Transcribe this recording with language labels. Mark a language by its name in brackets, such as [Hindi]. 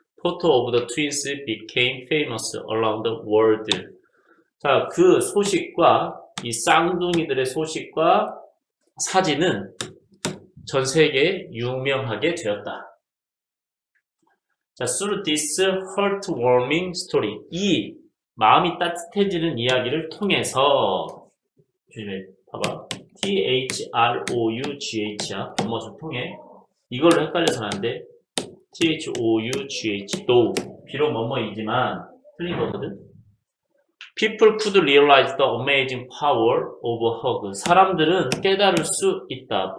[English] Photo of the twins became famous around the world. [Korean] 자, 그 소식과 이 쌍둥이들의 소식과 사진은 전 세계에 유명하게 되었다. 자, [English] through this heartwarming story. [Korean] 이 마음이 따뜻해지는 이야기를 통해서, 봐봐. THROUGH야. 덧붙임을 통해. 이걸로 헷갈려서 하는데, THOUGH, though. 비록 뭐뭐이지만, 틀린 거거든. [English] People could realize the amazing power of a hug. [Korean] 사람들은 깨달을 수 있다.